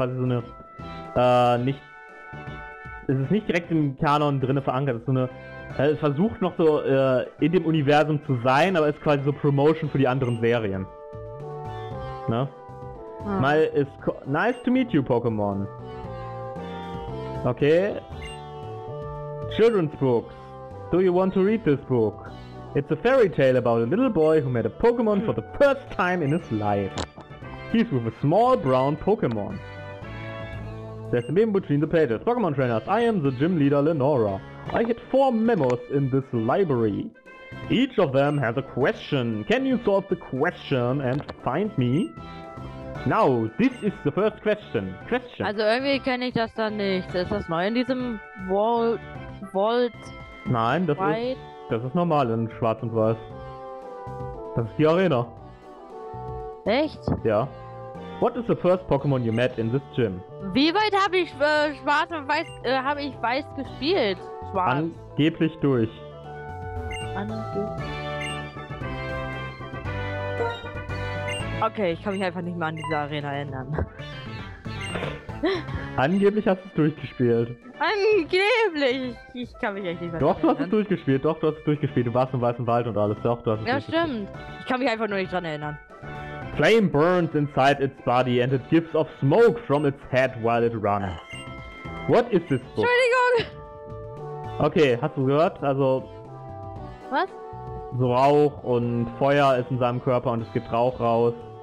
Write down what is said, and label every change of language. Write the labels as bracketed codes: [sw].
[de] Es ist nicht direkt im Kanon drinne verankert, es ist so eine... Es versucht noch so in dem Universum zu sein, aber ist quasi so Promotion für die anderen Serien. Ne? Ja. Mal ist... [en] Nice to meet you, Pokémon. Okay. Children's books. Do you want to read this book? It's a fairy tale about a little boy who met a Pokemon for the first time in his life. He's with a small brown Pokemon. There's a meme between the pages. Pokemon trainers, I am the gym leader Lenora. I hid 4 memos in this library. Each of them has a question. Can you solve the question and find me? Now, this is the first question. [de] Also irgendwie kenne ich das dann nicht. Ist das neu in diesem Vault? Nein, das White? Ist... Das ist normal in Schwarz und Weiß. Das ist die Arena. Echt? Ja. [en] What is the first Pokémon you met in this gym? [de] Wie weit habe ich Schwarz und Weiß habe ich Weiß gespielt? Schwarz. Angeblich durch. Okay, ich kann mich einfach nicht mehr an diese Arena erinnern. Angeblich hast du es durchgespielt. Angeblich! Ich kann mich echt nicht mehr erinnern. Du hast es durchgespielt. Du warst im Weißen Wald und alles. Doch, du hast es ja, stimmt. Ich kann mich einfach nur nicht dran erinnern. [en] Flame burns inside its body and it gives off smoke from its head while it runs. What is this book? [de] Entschuldigung! Okay, hast du gehört? Also... Was? So Rauch und Feuer ist in seinem Körper und es gibt Rauch raus.